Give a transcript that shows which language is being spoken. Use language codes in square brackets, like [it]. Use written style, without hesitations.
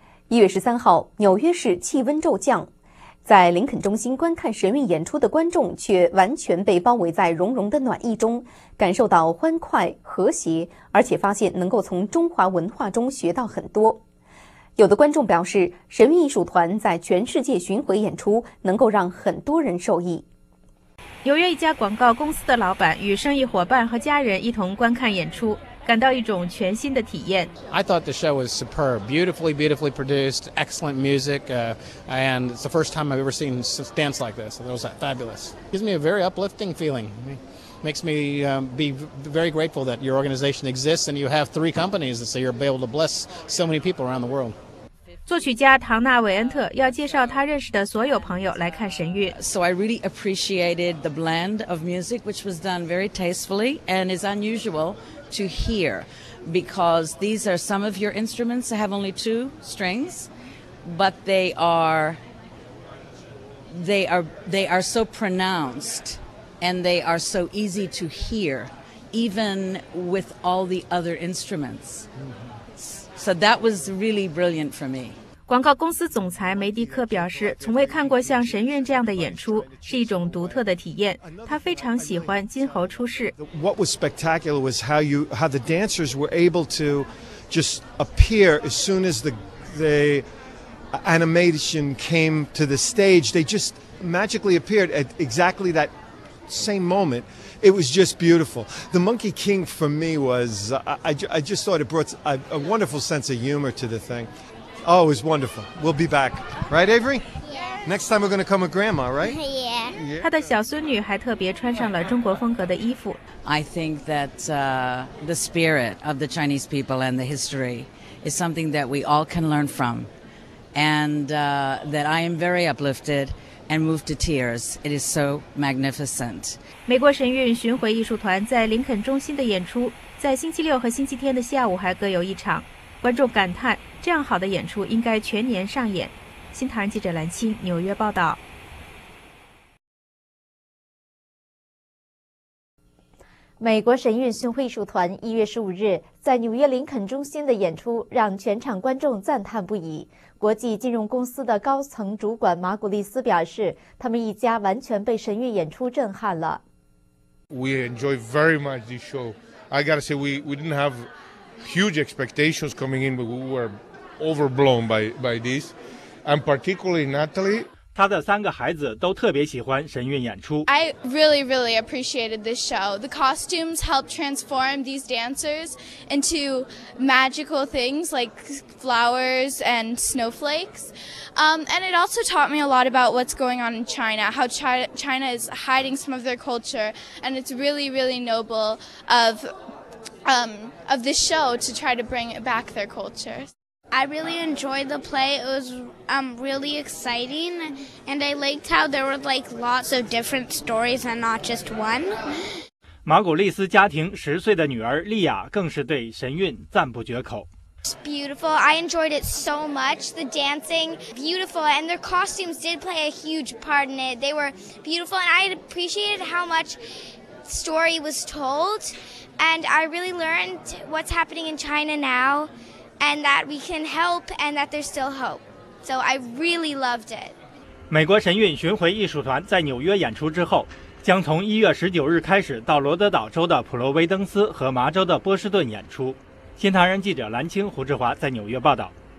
[zh] 1月13号，纽约市气温骤降，在林肯中心观看神韵演出的观众却完全被包围在融融的暖意中，感受到欢快和谐，而且发现能够从中华文化中学到很多。有的观众表示，神韵艺术团在全世界巡回演出能够让很多人受益。纽约一家广告公司的老板与生意伙伴和家人一同观看演出，感到一种全新的体验。 [en] I thought the show was superb, beautifully, beautifully produced, excellent music, and it's the first time I've ever seen dance like this. It was fabulous. Gives me a very uplifting feeling. Makes me be very grateful that your organization exists and you have three companies, so you're able to bless so many people around the world. [zh] 作曲家唐纳·韦恩特要介绍他认识的所有朋友来看神韵。 [en] So I really appreciated the blend of music, which was done very tastefully and is unusual to hear, because these are some of your instruments that have only two strings, but they are so pronounced. And they are so easy to hear, even with all the other instruments. So that was really brilliant for me. [zh] 广告公司总裁梅迪克表示，从未看过像神韵这样的演出，是一种独特的体验。他非常喜欢金猴出世。 [en] What was spectacular was how the dancers were able to just appear as soon as the animation came to the stage, they just magically appeared at exactly that same moment. It was just beautiful. The Monkey King for me was, I just thought it brought a wonderful sense of humor to the thing. Oh, it was wonderful. We'll be back. Right, Avery? Next time we're going to come with Grandma, right? Yeah. [zh] 她的小孙女还特别穿上了中国风格的衣服。 [en] I think that the spirit of the Chinese people and the history is something that we all can learn from. And that I am very uplifted and moved to tears. It is so magnificent. [zh] 美国神韵巡回艺术团在林肯中心的演出，在星期六和星期天的下午还各有一场。观众感叹，这样好的演出应该全年上演。新唐人记者蓝青纽约报道。美国神韵巡回艺术团1月15日在纽约林肯中心的演出让全场观众赞叹不已。国际金融公司的高层主管马古利斯表示，他们一家完全被神韵演出震撼了。 [en] We enjoy very much this show. I gotta say, we didn't have huge expectations coming in, but we were overblown by this. And particularly Natalie. [zh] 她的三个孩子都特别喜欢神韵演出。 [en] I really, really appreciated this show. The costumes helped transform these dancers into magical things like flowers and snowflakes. And it also taught me a lot about what's going on in China, how China is hiding some of their culture. And it's really, really noble of this show to try to bring back their culture. I really enjoyed the play. It was really exciting, and I liked how there were like lots of different stories and not just one. [zh] 马古利斯家庭10岁的女儿莉亚更是对神韵赞不绝口。 [en] It's beautiful. I enjoyed it so much. The dancing, beautiful, and their costumes did play a huge part in it. They were beautiful, and I appreciated how much story was told, and I really learned what's happening in China now. And that we can help, and that there's still hope. So I really loved it. [zh] 美国神韵巡回艺术团在纽约演出之后，将从1月19日开始到罗德岛州的普罗威登斯和麻州的波士顿演出。新唐人记者蓝青、胡志华在纽约报道。